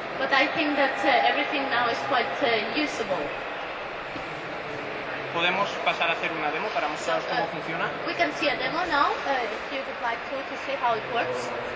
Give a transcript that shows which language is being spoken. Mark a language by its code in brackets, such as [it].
[en] But I think that everything now is quite usable. [es] Podemos pasar a hacer una demo para mostraros cómo funciona. [en] We can see a demo now, if you would like to see how it works.